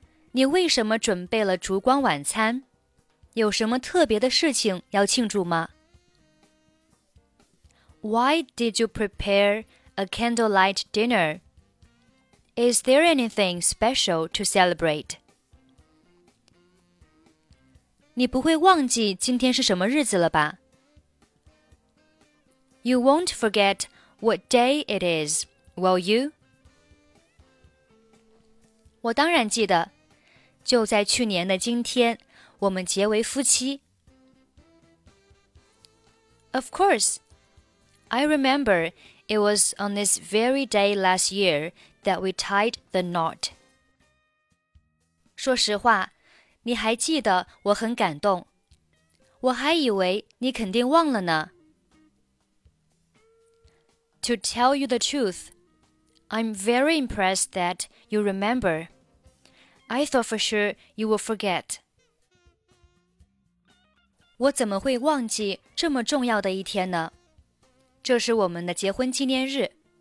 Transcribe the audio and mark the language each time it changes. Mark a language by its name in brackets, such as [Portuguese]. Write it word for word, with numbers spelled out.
[Chinese] 你为什么准备了烛光晚餐有什么特别的事情要庆祝吗 [English] Why did you prepare a candlelight dinner? Is there anything special to celebrate? [Chinese] 你不会忘记今天是什么日子了吧? [English] You won't forget what day it is, will you? [Chinese] 我当然记得，就在去年的今天，我们结为夫妻。 [English] Of course, I remember it was on this very day last year. That we tied the knot. [Chinese] 说实话，你还记得我很感动，我还以为你肯定忘了呢。 [English] To tell you the truth, I'm very impressed that you remember. I thought for sure you would forget. [Chinese] 我怎么会忘记这么重要的一天呢？这是我们的结婚纪念日。